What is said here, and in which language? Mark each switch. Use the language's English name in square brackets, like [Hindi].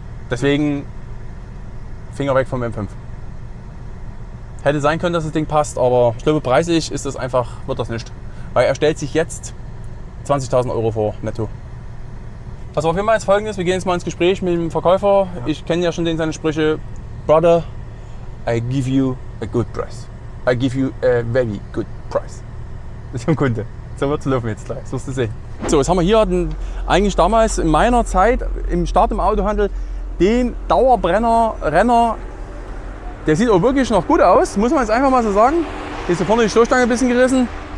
[German] Deswegen Finger weg vom M5. Hätte sein können, dass das Ding passt, aber ich glaube, preislich ist das einfach, wird das nicht. Weil er stellt sich jetzt 20.000 Euro vor, netto. Also auf jeden Fall jetzt Folgendes, wir gehen jetzt mal ins Gespräch mit dem Verkäufer. Ja. Ich kenne ja schon den, seine Sprüche, Brother. [English] I give you a good price. I give you a very good price. [German] Das ist ein Kunde. So wird es laufen jetzt gleich. Das wirst du sehen. So, jetzt haben wir hier eigentlich damals in meiner Zeit im Start im Autohandel den Dauerbrenner Renner. Der sieht auch wirklich noch gut aus, muss man jetzt einfach mal so sagen. Hier ist hier vorne die Stoßstange ein bisschen gerissen.